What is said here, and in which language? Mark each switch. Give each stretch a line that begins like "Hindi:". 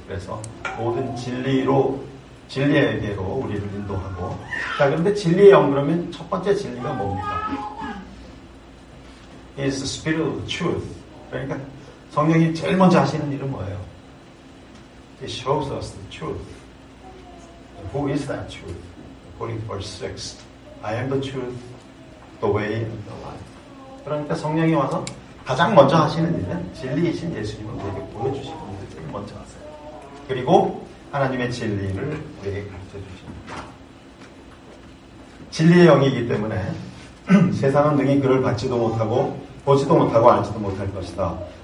Korean: 그래서 모든 진리로 진리에게로 우리를 인도하고 자 그런데 진리의 영 그러면 첫 번째 진리가 뭡니까?
English: He's the spirit of the truth.
Korean: 그러니까 성령이 제일 먼저 하시는 일은 뭐예요?
English: He shows us the truth. Who is that truth? According to verse 6, I am the truth, the way, and the life.
Korean: 그러니까 성령이 와서 가장 먼저 하시는 일은 진리이신 예수님을 우리에게 보여주시는 일을 제일 먼저 하세요. 그리고 하나님의 진리를 우리에게 가르쳐 주십니다. 진리의 영이기 때문에 세상은 능히 그를 받지도 못하고 보지도 못하고 알지도 못할 것이다.